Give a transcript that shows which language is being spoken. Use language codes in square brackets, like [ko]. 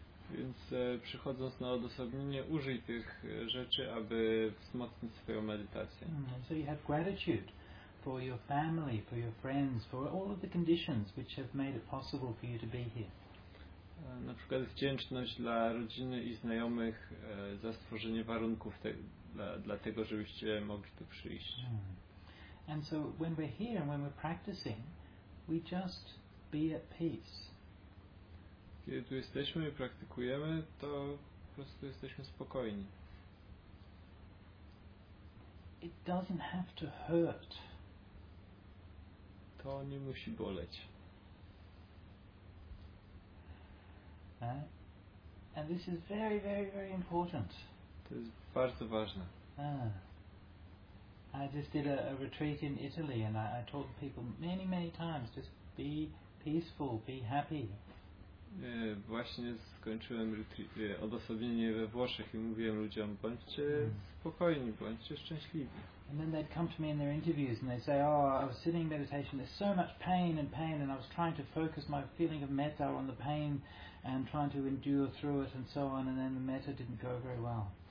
[pl] Więc przychodząc na odosobnienie, użyj tych rzeczy, aby wzmocnić swoją medytację. [en] So you have gratitude for your family, for your friends, for all of the conditions which have made it possible for you to be here. [pl] Na przykład wdzięczność dla rodziny i znajomych za stworzenie warunków dla tego, żebyście mogli tu przyjść. [en] And so when we're here and when we're practicing, we just be at peace. [pl] Kiedy tu jesteśmy i praktykujemy, to po prostu jesteśmy spokojni. [en] It doesn't have to hurt. [pl] To nie musi boleć. [en] And this is very, very, very important. [pl] To jest bardzo ważne. [en] I just did a retreat in Italy and I told people many, many times, just be peaceful, be happy. [pl] Właśnie skończyłem odosobnienie we Włoszech i mówiłem ludziom, bądźcie spokojni, bądźcie szczęśliwi. [en] And then they'd come to me in their interviews and they'd say, oh, I was sitting in meditation, there's so much pain and I was trying to focus my feeling of metta on the pain and trying to endure through it and so on, and then the metta didn't go very well.